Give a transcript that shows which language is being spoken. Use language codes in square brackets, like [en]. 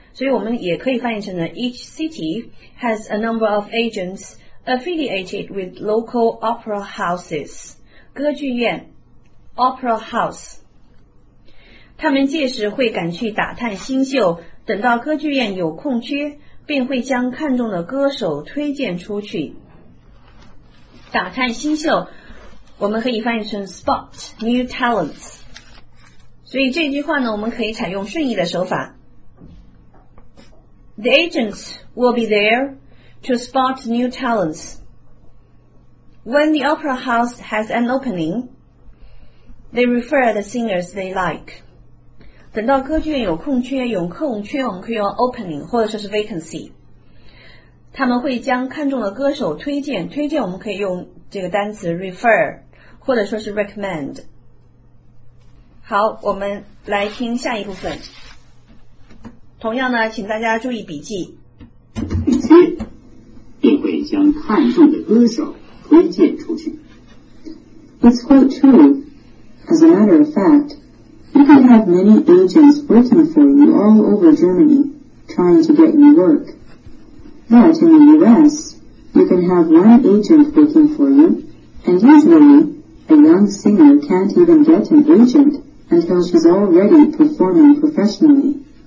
[zh] 所以我们也可以翻译成呢 , [en] each city has a number of agents affiliated with local opera houses, [zh] 歌剧院 ,opera house,他们届时会赶去打探新秀，等到歌剧院有空缺，便会将看中的歌手推荐出去。打探新秀，我们可以翻译成 [en] spot new talents。 [zh] 所以这句话呢，我们可以采用顺义的手法。 [en] The agents will be there to spot new talents. When the opera house has an opening, they refer the singers they like. [zh] 等到歌剧院有空缺，有空缺我们可以用 opening 或者说是 vacancy。他们会将看中的歌手推荐，推荐我们可以用这个单词 refer 或者说是 recommend。好，我们来听下一部分。同样呢，请大家注意笔记。空缺便会将看中的歌手推荐出去。 [en] It's quite true. As a matter of factYou could have many agents working for you all over Germany, trying to get you work. But in the U.S., you can have one agent working for you, and usually, a young singer can't even get an agent until she's already performing professionally.